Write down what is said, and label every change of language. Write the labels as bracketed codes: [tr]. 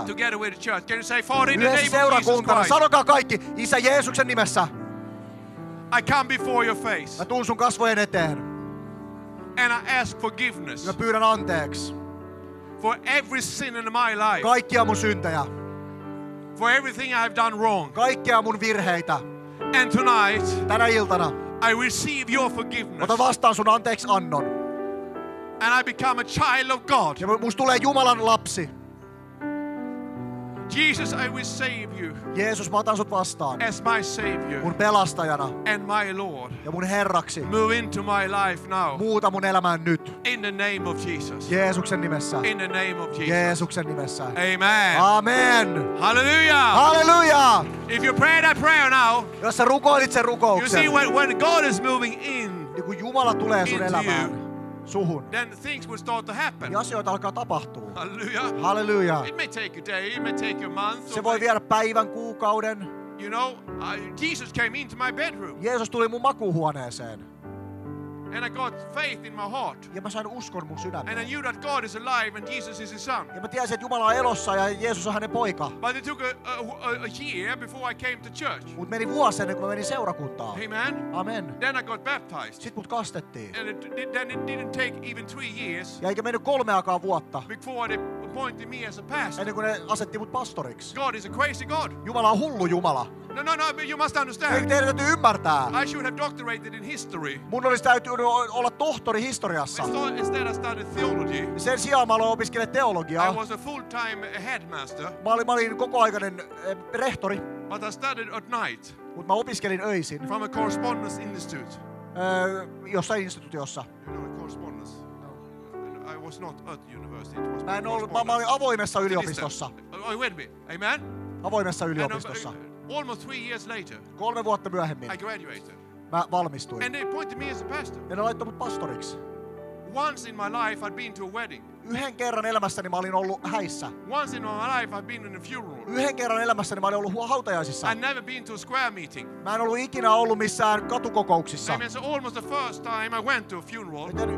[en] Together with the church. Can you say for in the name of Jesus Christ? [fi] Sanokaa kaikki Isä Jeesuksen nimessä. [en] I come before your face. [fi] Mä tuun sun kasvojen eteen. [en] And I ask forgiveness. [fi] Mä pyydän anteeksi. [en] For every sin in my life. [fi] Kaikkia mun syntejä. [en] For everything I've done wrong. [fi] Kaikkia mun virheitä. [en] And tonight. [fi] Tänä iltana. [en] I receive your forgiveness. [fi] Otan vastaan sun anteeksi annon. [en] And I become a child of God. [fi] Ja musta tulee Jumalan lapsi. [en] Jesus, I will save you. [fi] Jeesus, mä otan sut vastaan. [en] As my savior. [fi] Mun pelastajana. [en] And my Lord. [fi] Ja mun herraksi. [en] Move into my life now. [fi] Muuta mun elämään nyt. [en] In the name of Jesus. [fi] Jeesuksen nimessä. [en] In the name of Jesus. [fi] Jeesuksen nimessä. [en] Amen. [fi] Amen. [en] Hallelujah. [fi] Hallelujah. [en] If you pray that prayer now. [fi] Jos sä rukoilit sen rukouksen. [en] You see when God is moving in. [fi] Niin kun Jumala tulee sun elämään. Suhun. [en] Then things will start to happen. [fi] Ja asioita alkaa tapahtua. [en] Hallelujah. [fi] Hallelujah. [en] It may take a day, it may take a month. [fi] Se voi viedä päivän, kuukauden. [en] You know, Jesus came into my bedroom. [fi] Jeesus tuli mun makuuhuoneeseen. [en] And I got faith in my heart. [fi] Ja mä sain uskon mun sydämeen. [en] And I knew that God is alive and Jesus is his son. [fi] Ja mä tiesin, että Jumala on elossa ja Jeesus on hänen poika. [en] But it took a year before I came to church. [fi] Mut meni vuosi ennen kuin mä menin seurakuntaan. [en] Amen. [fi] Amen. [en] Then I got baptized. [fi] Sit mut kastettiin. [en] And it didn't take even 3 years. [fi] Ja eikä mennyt kolmeakaan vuotta. [en] Before they appointed me as a pastor. [fi] Ennen kuin ne asetti mut pastoriksi. [en] God is a crazy God. [fi] Jumala on hullu Jumala. [en] No, but you must understand. [fi] Ei, teidän täytyy ymmärtää. [en] I should have doctorated in history. [fi] Mun olisi täytynyt olla tohtori historiassa. [en] Instead I started theology. [fi] Sen sijaan mä aloin opiskella teologiaa. [en] I was a full-time headmaster. [fi] Mä olin kokoaikainen rehtori. [en] But I studied at night. [fi] Mut mä opiskelin öisin. [en] From a correspondence institute. [fi] Jossain instituutiossa. [en] You know, a correspondence. I was not at university. It was [fi] mä en ollut, mä olin avoimessa yliopistossa. [en] Are you with me? Amen? [fi] Avoimessa yliopistossa. [en] Almost 3 years later. [fi] Kolme vuotta myöhemmin. [en] I graduated. [fi] Mä valmistuin. [en] And they appointed me as a pastor. [fi] Ja ne laittoi mut pastoriksi. [en] Once in my life I'd been to a wedding. [fi] Yhden kerran elämässäni mä olin ollut häissä. [en] Once in my life I've been in a funeral. [fi] Yhden kerran elämässäni mä olin ollut hautajaisissa. [en] I've never been to a square meeting. [fi] Mä en ollut ikinä ollut missään katukokouksissa. [en] I mean, so almost the first time I went to a funeral.